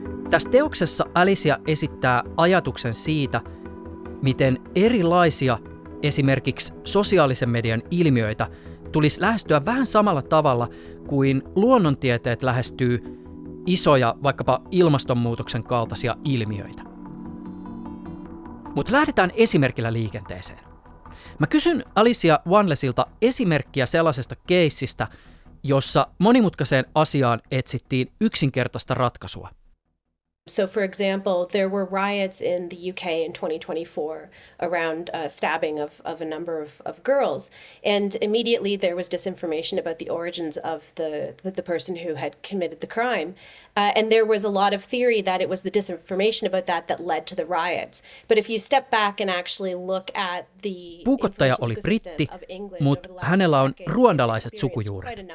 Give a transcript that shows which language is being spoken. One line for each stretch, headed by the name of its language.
Finnish: Tässä teoksessa Alicia esittää ajatuksen siitä, miten erilaisia esimerkiksi sosiaalisen median ilmiöitä tulisi lähestyä vähän samalla tavalla kuin luonnontieteet lähestyy isoja, vaikkapa ilmastonmuutoksen kaltaisia ilmiöitä. Mutta lähdetään esimerkillä liikenteeseen. Mä kysyn Alicia Onelessilta esimerkkiä sellaisesta keissistä, jossa monimutkaiseen asiaan etsittiin yksinkertaista ratkaisua.
English: So for example, there were riots in the UK in 2024 around stabbing of a number of girls. And immediately there was disinformation about the origins of the person who had committed the crime. And there was a lot of theory that it was the disinformation about that that led to the riots. But if you step back and actually look at the...
Finnish: Puukottaja oli britti, mutta hänellä on ruandalaiset sukujuuret.